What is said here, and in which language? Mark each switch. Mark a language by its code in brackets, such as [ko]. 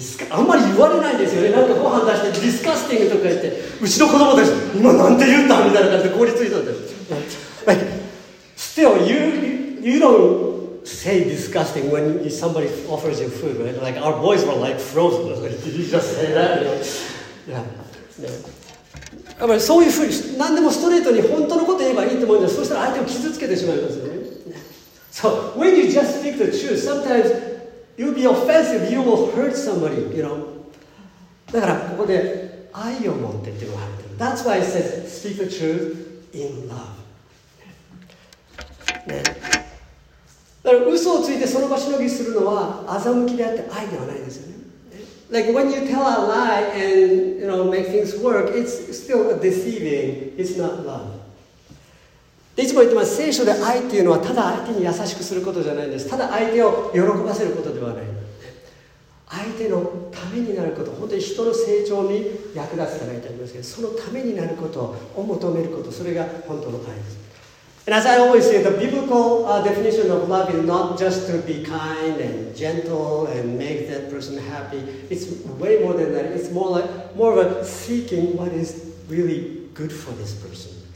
[ja] あんまり言われないんですよね。なんかご飯出してディスカスティングとか言って、うちの子供たち今なんて言ったみたいな感じで凍りついたんです。 [en] Still, you don't say disgusting when somebody offers you food, right? Like our boys were like frozen. Like, did you just say that? Yeah. Yeah. [ja] そういうふうに何でもストレートに本当のこと言えばいいと思うんです。そしたら相手を傷つけてしまいますよね。 [en] So when you just speak the truth, sometimes. You'll be offensive, you will hurt somebody, you know. [ja] だからここで愛を持ってって言われてる。 [en] That's why it says, speak the truth in love. [ja] ね。だから嘘をついてその場しのぎするのは欺きであって愛ではないですよね。 [en] Like when you tell a lie and, you know, make things work, it's still deceiving, it's not love. [ja] いつも言ってます。聖書で愛っていうのはただ相手に優しくすることじゃないんです。ただ相手を喜ばせることではない。相手のためになること、本当に人の成長に役立つためってありますけど、そのためになることを求めること、それが本当の愛です。 [en] And as I always say, the biblical definition of love is not just to be kind and gentle and make that person happy. It's way more than that. It's more like, more of a seeking what is really good for this person.